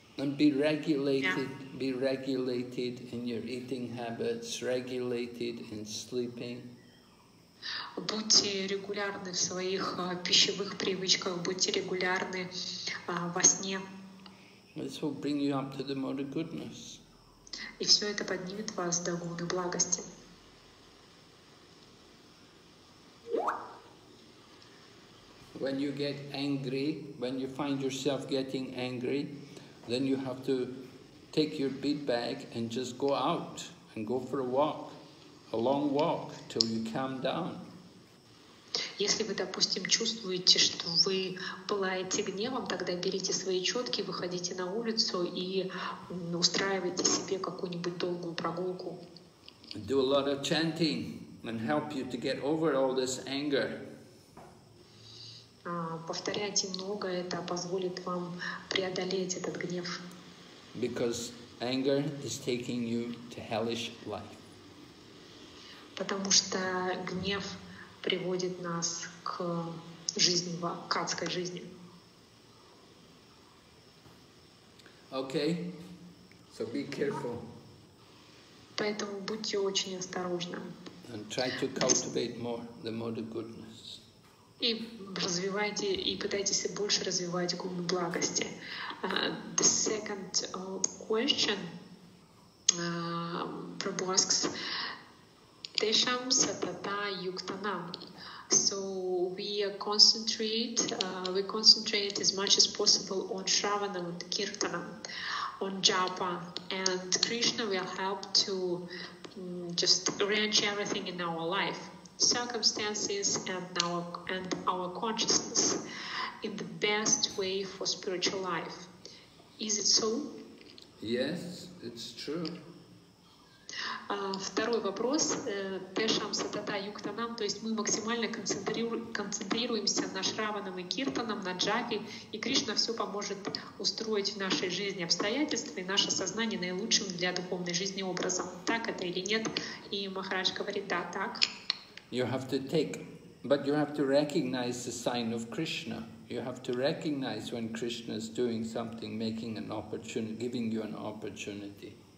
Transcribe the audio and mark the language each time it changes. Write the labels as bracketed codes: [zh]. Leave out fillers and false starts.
[en] And be regulated in your eating habits, regulated in sleeping. [ru] Будьте регулярны в своих пищевых привычках, будьте регулярны во сне. [en] This will bring you up to the mode of goodness. [ru] И все это поднимет вас до гуны благости. [en] when you get angry, when you find yourself getting angry, then you have to take your bead bag and just go out and go for a walk, a long walk, till you calm down. [ru] Если вы, допустим, чувствуете, что вы пылаете гневом, тогда берите свои четки, выходите на улицу и устраивайте себе какую-нибудь долгую прогулку. [en] Do a lot of chanting and help you to get over all this anger. [ru] Повторяйте много, это позволит вам преодолеть этот гнев. [en] Because anger is taking you to hellish life. [ru] Потому что гнев приводит нас к жизни, к адской жизни. [en] Okay, so be careful. [ru] Поэтому будьте очень осторожны. [en] And try to cultivate more the mode of goodness. [ru] И развивайте, и пытайтесь больше развивать гуну благости. [en] The second question, Prabhu asks, [sa] Tesham satata yuktanam. [en] So we concentrate as much as possible on Shravanam, Kirtanam, on Japa, and Krishna will help to just arrange everything in our life, circumstances and our consciousness in the best way for spiritual life. Is it so? Yes, it's true. [ru] Второй вопрос. [sa] Тешам сатата юктанам, [ru] то есть мы максимально концентрируемся на Шраванам и Киртанам, на Джапе, и Кришна все поможет устроить в нашей жизни обстоятельства и наше сознание наилучшим для духовной жизни образом. Так это или нет? И Махарадж говорит, да, так. [en] You have to take, but you have to recognize the sign of Krishna. You have to recognize when Krishna is doing something, making an opportunity, giving you an opportunity.